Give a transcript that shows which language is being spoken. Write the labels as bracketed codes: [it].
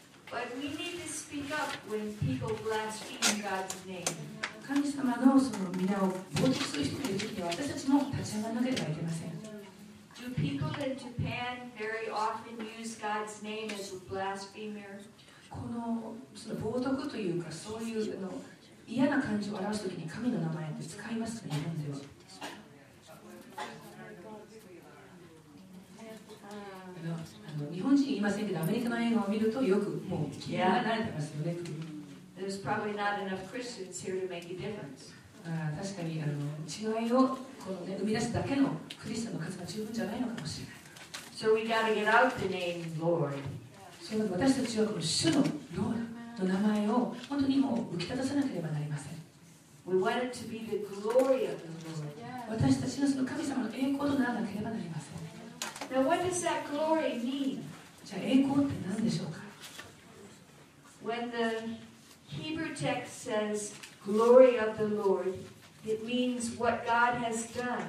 [en] But we need to speak up when people blaspheme God's name. [ja] 神様のその皆を冒涜する人がいるときには、私たちも立ち上がらなければいけません。 [en] Do people in Japan very often use God's name as a blasphemer? [ja] このその冒涜というかそういう嫌な感じを表すときに神の名前って使いますか、日本では。日本人いませんけどアメリカの映画を見るとよくもう気が慣れてますよね。 [en] There's probably not enough Christians here to make a difference. [ja] 確かに違いをこの、ね、生み出すだけのクリスチャンの数が十分じゃないのかもしれない。 [en] So we gotta get out the name Lord. [ja] 私たちはこの主のノアの名前を本当にもう浮き立たさなければなりません。 [en] We want it to be the glory of the Lord. [ja] 私たちがその神様の栄光とならなければなりません。 [en] Now what does that glory mean? [ja] じゃあ栄光って何でしょうか。 [en] When the Hebrew text says glory of the Lord, it means what God has done.